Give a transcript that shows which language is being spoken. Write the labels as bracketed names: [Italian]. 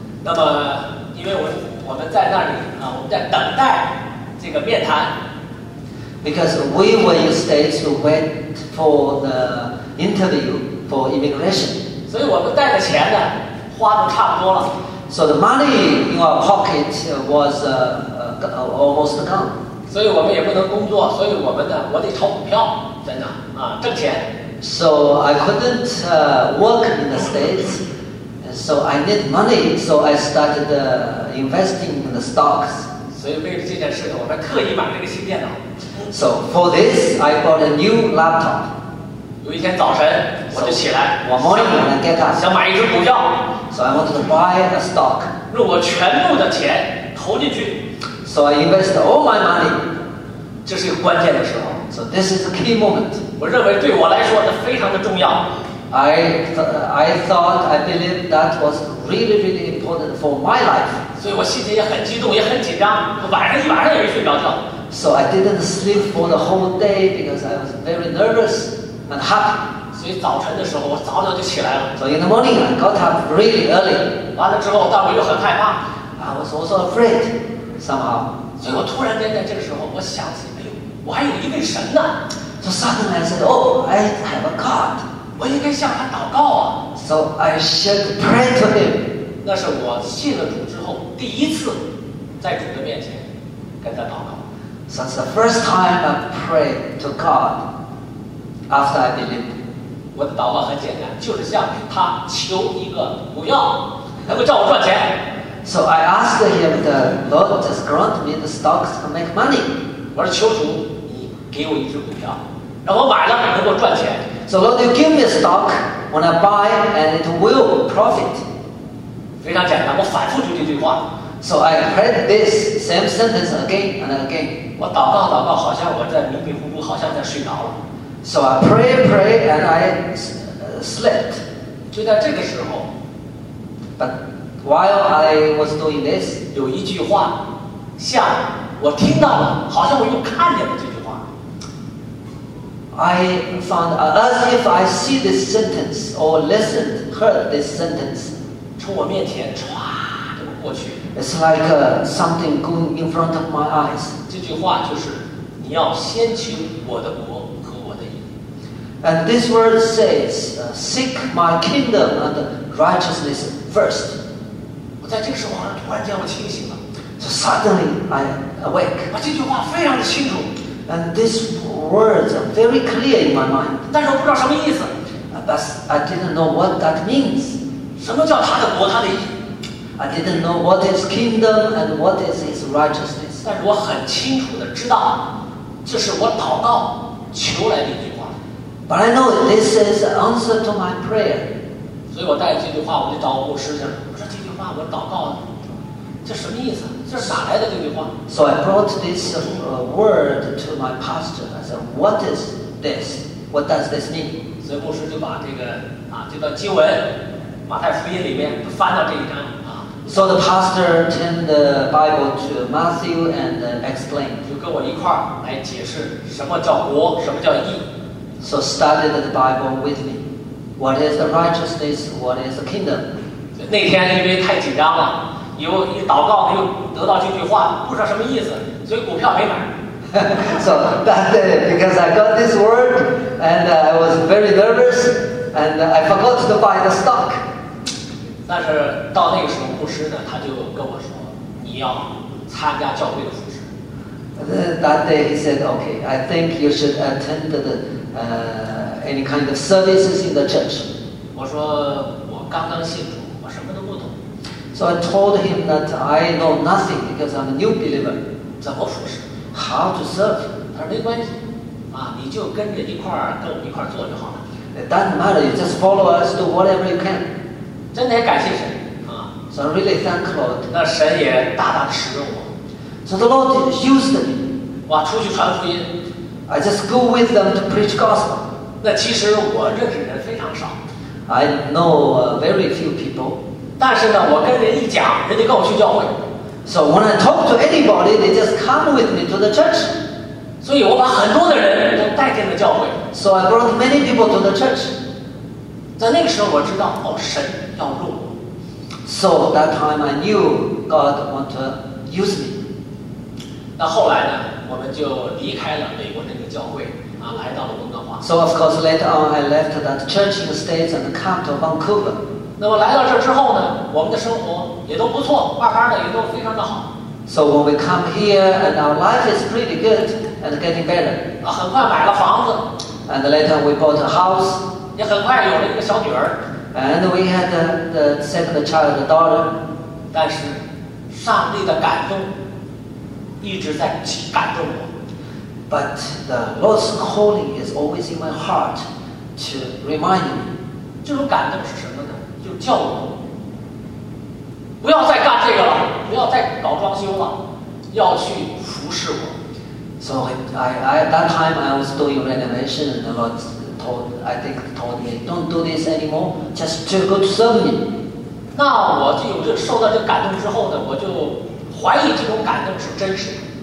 [Chinese] 那么因为我们在那里啊，我们在等待。这个面谈 [English] because we were in states to wait for the interview for immigration. [Chinese] 所以我们带的钱呢花的差不多了。 [English] So the money in our pocket was almost gone. [Chinese] 所以我们也不能工作，所以我们呢，我得炒股票在那啊挣钱。 [English] So I couldn't work in the states. So I need money. So I started investing in the stocks. [Chinese] 所以为了这件事呢，我还特意买了一个新电脑。 [English] So for this, I bought a new laptop. [Chinese] 有一天早晨，我就起来， [English] so, morning, [Chinese] 想买一只股票。 [English] So I wanted to buy a stock. [Chinese] 用我全部的钱投进去。 [English] So I invested all my money. [Chinese] 这是一个关键的时候。 [English] So this is a key moment. [Chinese] 我认为对我来说，它非常的重要。 [English] I believe that was really, really important for my life. [Chinese] 所以我心里也很激动，也很紧张，晚上一晚上也没睡着觉。 [English] So I didn't sleep for the whole day because I was very nervous and happy. [Chinese] 所以早晨的时候，我早早就起来了。 [English] So in the morning, I got up really early. [Chinese] 完了之后，但我又很害怕。 [English] I was also afraid somehow. [Chinese] 所以我突然间在这个时候，我想起，哎呦，我还有一位神呢。 [English] So suddenly I said, Oh, I have a God. [Chinese] 我应该向他祷告啊。 [English] So I should pray to him. [Chinese] 那是我信了主之后第一次在主的面前跟他祷告。 [English] So it's the first time I prayed to God after I believed. [Chinese] 我的祷告很简单，就是向他求一个不要能够叫我赚钱。 [English] So I asked him, the Lord just grant me the stocks to make money. [Chinese] 我说求主，你给我一只股票，让我买了能够赚钱。 [English] So Lord, you give me a stock when I buy, and it will profit. [Chinese] 非常简单，我反复读这句话。 [English] So I prayed this same sentence again and again. [Chinese] 我祷告祷告，好像我在迷迷糊糊，好像在睡着了。 [English] So I pray and I slept. [Chinese] 就在这个时候 [English] ，But while I was doing this, [Chinese] 有一句话，像我听到了，好像我又看见了这句话。 [English] I found as if I see this sentence or listened, heard this sentence. [Chinese] 从我面前唰就过去。 [English] It's like something going in front of my eyes. [Chinese] 这句话就是你要先求我的国和我的义。 [English] And this word says, seek my kingdom and righteousness first. [Chinese] 我在这个时候突然间我清醒了。 [English] So suddenly I awake. [Chinese] 我这句话非常的清楚。 [English] And this words are very clear in my mind. [Chinese] 但是我不知道什么意思。 [English] But I didn't know what that means. [Chinese] 什么叫他的国，他的义？ [English] I didn't know what is kingdom and what is his righteousness. [Chinese] 但是我很清楚的知道，这是我祷告求来的一句话。 [English] But I know this is the answer to my prayer. [Chinese] 所以我带着这句话，我就找牧师去了。我说这句话我祷告的，这什么意思？这是哪来的这句话？ [English] So I brought this word to my pastor. I said, "What is this? What does this mean?" [Chinese] 所以牧师就把这个这段经文，马太福音里面翻到这一章 [English] So the pastor turned the Bible to Matthew and explained. [Chinese] 就跟我一块儿来解释什么叫国，什么叫义。 [English] So studied the Bible with me. What is the righteousness? What is the kingdom? [Chinese] 那天因为太紧张了。有一祷告，又得到这句话，不知道什么意思，所以股票没买。 [English] So that day, because I got this word, and I was very nervous, and I forgot to buy the stock. [Chinese] 但是到那个时候，牧师呢，他就跟我说，你要参加教会的服事。 [English] That day he said, "Okay, I think you should attend the any kind of services in the church." [Chinese] 我说我刚刚信主，我什么都不懂。 [English] So I told him that I know nothing because I'm a new believer. [Chinese] 怎么服侍 [English] ？How to serve? [Chinese] 他说没关系，你就跟着一块儿跟我们一块儿做就好了。 [English] It doesn't matter. You just follow us, do whatever you can. [Chinese] 真的也感谢神 [English] So I really thank Lord. [Chinese] 那神也大大的使用我。 [English] So the Lord used me. [Chinese] 哇，出去传福音。 [English] I just go with them to preach gospel. [Chinese] 那其实我认识人非常少。 [English] I know very few people. [Chinese] 但是呢，我跟人一讲，人家跟我去教会。 [English] So when I talk to anybody, they just come with me to the church. [Chinese] 所以我把很多的人都带进了教会。 [English] So I brought many people to the church. [Chinese] 在那个时候，我知道哦，神要用我。 [English] So that time I knew God want to use me. [Chinese] 那后来呢，我们就离开了美国那个教会来到了温哥华。 [English] So of course later on I left that church in the States and come to Vancouver. [Chinese] 那么来到这之后呢，我们的生活也都不错，慢慢的也都非常的好。 [English] So when we come here and our life is pretty good and getting better. [Chinese] 很快买了房子。 [English] And later we bought a house. [Chinese] 也很快有了一个小女儿。 [English] And we had the second child, a daughter. [Chinese] 但是，上帝的感动一直在感动我。 [English] But the Lord's calling is always in my heart to remind me. [Chinese] 这种感动是什么？就叫我不要再干这个了，不要再搞装修了，要去服侍我。 [English] So I at that time I was doing renovation, and the Lord told told, I think, told me, don't do this anymore, just to go to serve me. [Chinese] 那我就有这受到这感动之后呢，我就怀疑这种感动是真实的。